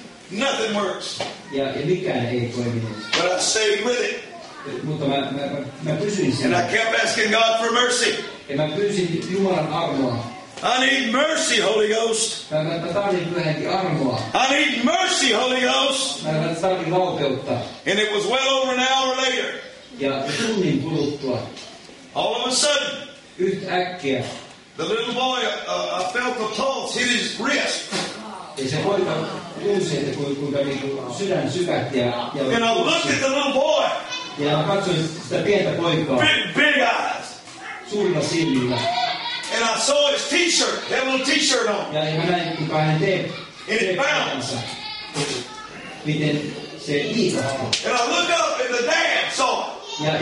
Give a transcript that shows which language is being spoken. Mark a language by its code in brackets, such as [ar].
[en] Nothing works. [fi] Ja mikään ei toiminut. [en] But I stayed with it. [fi] Mutta mä pysyin siellä. [en] And I kept asking God for mercy. [fi] Ja mä pyysin Jumalan armoa. [en] I need mercy, Holy Ghost. [fi] Mä tarvin pyhänkin armoa. [en] I need mercy, Holy Ghost. [fi] Mä tarvin valkeutta. [en] And it was well over an hour later. [fi] Ja tunnin kuluttua. [en] All of a sudden. [fi] Yhtäkkiä. [en] The little boy, I felt the pulse hit his wrist. [fi] Ja se poika tunsi, että kuinka sydän sykähti. [en] And I looked at the little boy. [fi] Ja mä katsoin sitä pientä poikaa. [en] Big eyes. [fi] Suurilla silmillä. [en] And I saw his t-shirt, that little t-shirt on. [fi] Ja mä näin, kuinka hän teki. [en] And [fi] miten se liikahti. [en] And I looked up and the dad saw it.